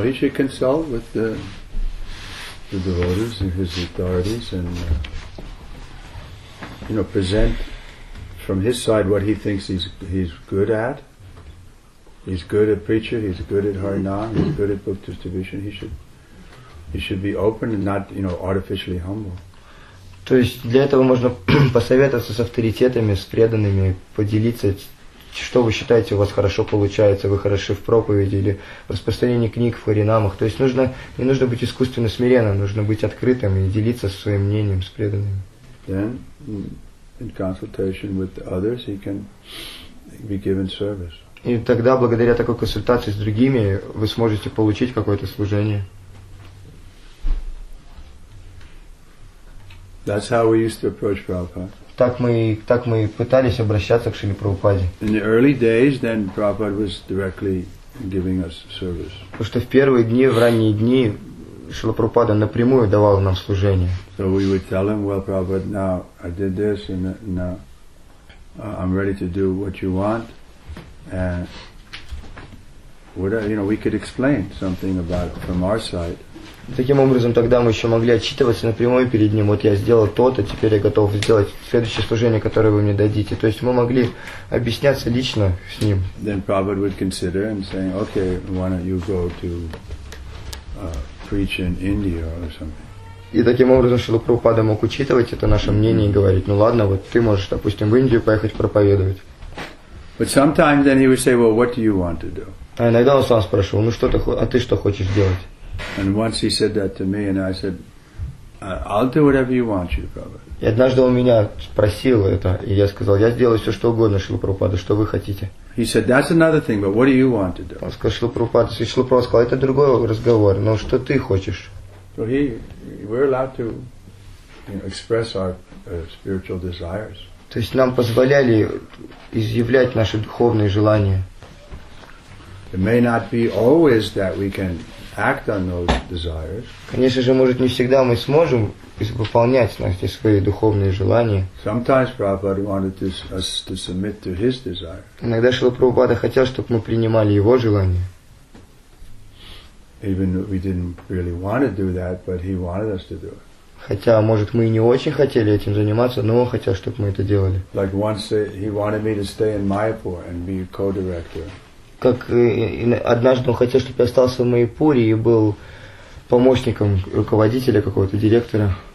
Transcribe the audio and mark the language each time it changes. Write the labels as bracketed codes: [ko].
[en] Well, he should consult with the devotees and his authorities and present from his side what he thinks he's good at. He's good at preacher, he's good at harinam, he's good at book distribution. He should be open and not, artificially humble. [ru] То есть для этого можно посоветоваться с авторитетами, с преданными, поделиться, что вы считаете, у вас хорошо получается, вы хороши в проповеди или в распространении книг в харинамах. То есть не нужно быть искусственно смиренным, нужно быть открытым и делиться своим мнением с преданными. [en] Then, in consultation with others, he can be given service. [ru] И тогда, благодаря такой консультации с другими, вы сможете получить какое-то служение. [en] That's how we used to approach Prabhupada. [ru] Так мы пытались обращаться к Шриле Прабхупаде. [en] In the early days, then Prabhupada was directly giving us service. [ru] Потому что в первые дни, в ранние дни, Шрила Прабхупада напрямую давал нам служение. [en] So we would tell him, well, Prabhupada, now I did this, and now I'm ready to do what you want. And we could explain something about it from our side. [ru] Таким образом, тогда мы еще могли отчитываться напрямую перед ним. Вот я сделал то-то, теперь я готов сделать следующее служение, которое вы мне дадите. То есть мы могли объясняться лично с ним. [en] Then Prabhupada would consider and say, okay, why don't you go to preach in India or something? [ru] И таким образом Шрила Прабхупада мог учитывать это наше мнение и говорить, ну ладно, вот ты можешь, допустим, в Индию поехать проповедовать. А иногда он сам спрашивал, ну что ты, а ты что хочешь делать? И однажды он меня спросил это, и я сказал, я сделаю все, что угодно, Шрила Прабхупада, что вы хотите. [en] He said, that's another thing, but what do you want to do? [ru] Он сказал, Шрила Прабхупада, и Шрила Прабхупада сказал, это другой разговор, но что ты хочешь? [en] So we're allowed to express our spiritual desires. [ru] То есть нам позволяли изъявлять наши духовные желания. [en] It may not be always that we can act on those desires. [ru] Конечно же, может, не всегда мы сможем выполнять наши свои духовные желания. [en] Sometimes Prabhupada wanted us to submit to his desires. [ru] Иногда Шрила Прабхупада хотел, чтобы мы принимали его желания. [en] Even we didn't really want to do that, but he wanted us to do it. [ru] Хотя, может, мы и не очень хотели этим заниматься, но он хотел, чтобы мы это делали. [en] Like once he wanted me to stay in Mayapur and be a co-director. [ru] Как однажды он хотел, чтобы я остался в Майпуре и был помощником руководителя какого-то директора.